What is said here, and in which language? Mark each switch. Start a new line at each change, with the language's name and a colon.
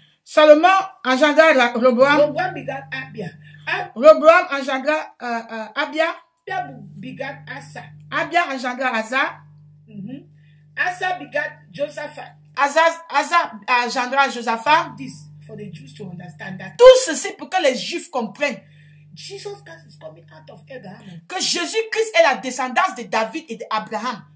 French: Salomon engendra Roboam.
English: Roboam begat Abia.
French: Roboam engendra Abia.
English: Abia begat Asa.
French: Abia engendra Asa.
English: Mm-hmm. Asa begat Josaphat.
French: Asa engendra Josaphat.
English: This. For the Jews to understand that.
French: Tout ceci pour que les Juifs comprennent
English: Jesus Christ is coming out of Abraham.
French: Que Jésus-Christ est la descendance de David et d'Abraham.